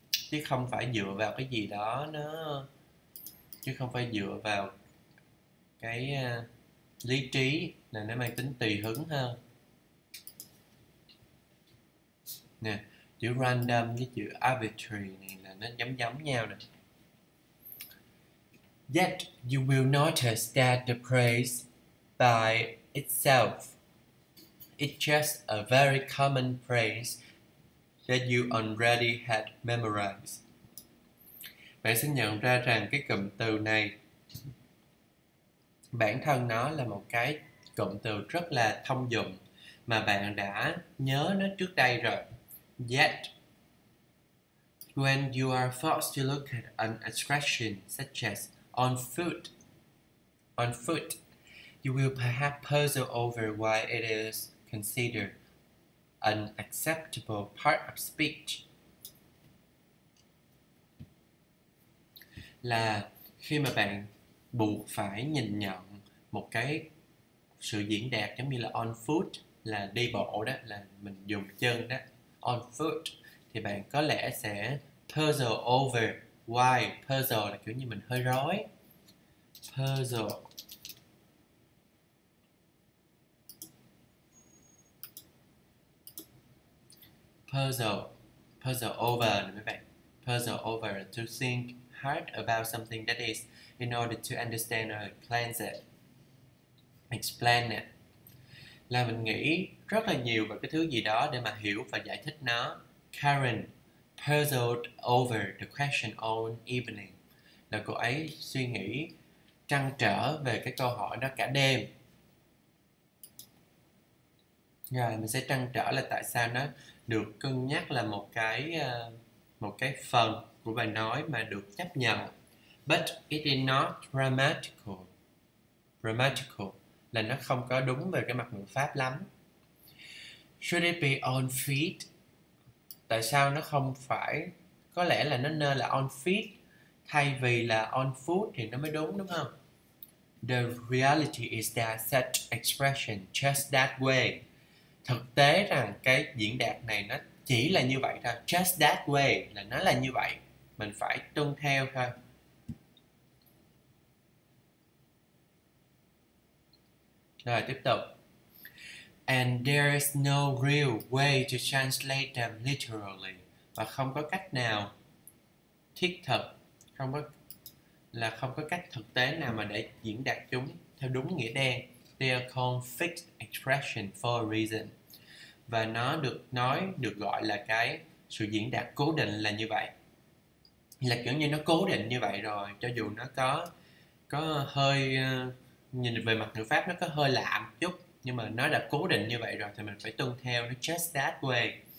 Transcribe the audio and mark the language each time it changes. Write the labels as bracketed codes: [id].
[vi] Chứ không phải dựa vào cái gì đó nó, chứ không phải dựa vào cái lý trí, là nó mang tính tùy hứng hơn. Nè, chữ random với chữ arbitrary này là nó giống giống nhau nè. [en] Yet you will notice that the phrase by itself is just a very common phrase that you already had memorized. [vi] Bạn sẽ nhận ra rằng cái cụm từ này bản thân nó là một cái cụm từ rất là thông dụng mà bạn đã nhớ nó trước đây rồi. [en] Yet when you are forced to look at an expression such as on foot, you will perhaps puzzle over why it is considered an acceptable part of speech. [vi] Là khi mà bạn buộc phải nhìn nhận một cái sự diễn đạt giống như là on foot, là đi bộ đó, là mình dùng chân đó, on foot, thì bạn có lẽ sẽ [en] puzzle over why. [vi] Puzzle là kiểu như mình hơi rối. Puzzle over, mấy bạn. [en] Puzzle over, to think hard about something that is in order to understand or explain it. [vi] Là mình nghĩ rất là nhiều về cái thứ gì đó để mà hiểu và giải thích nó. Karen [en] puzzled over the question all evening. [vi] Là cô ấy suy nghĩ trăn trở về cái câu hỏi đó cả đêm. Rồi mình sẽ trăn trở là tại sao nó được cân nhắc là một cái phần của bài nói mà được chấp nhận. [en] But it is not grammatical. [vi] Grammatical là nó không có đúng về cái mặt ngữ pháp lắm. [en] Should it be on feet? [vi] Tại sao nó không phải? Có lẽ là nó nên là on feet thay vì là on foot thì nó mới đúng, đúng không? [en] The reality is that such expression just that way. [vi] Thực tế rằng cái diễn đạt này nó chỉ là như vậy thôi. [en] Just that way [vi] là nó là như vậy. Mình phải tuân theo thôi. Rồi, tiếp tục. [en] And there is no real way to translate them literally. [vi] Và không có cách nào thiết thực, không có cách thực tế nào mà để diễn đạt chúng theo đúng nghĩa đen. [en] They are called fixed expression for a reason. [vi] Và nó được gọi là cái sự diễn đạt cố định là như vậy. Là kiểu như nó cố định như vậy rồi, cho dù nó có hơi, nhìn về mặt ngữ pháp nó có hơi lạ một chút, nhưng mà nó đã cố định như vậy rồi thì mình phải tuân theo nó [en] just that way.